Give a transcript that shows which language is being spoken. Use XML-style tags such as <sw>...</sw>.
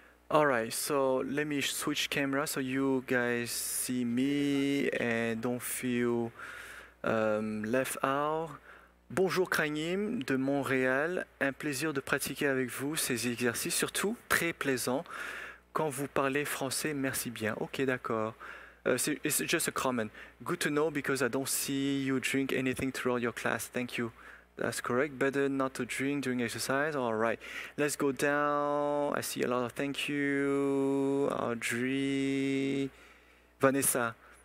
<en>All right, so let me switch camera so you guys see me and don't feel left out.</en> <fr>Bonjour Krainim de Montréal, un plaisir de pratiquer avec vous ces exercices, surtout très plaisant quand vous parlez français, merci bien. Ok, d'accord.</fr> <en>It's just a comment. Good to know because I don't see you drink anything throughout your class, thank you. That's correct, better not to drink during exercise, all right. Let's go down, I see a lot of thank you, Audrey, Vanessa.</en>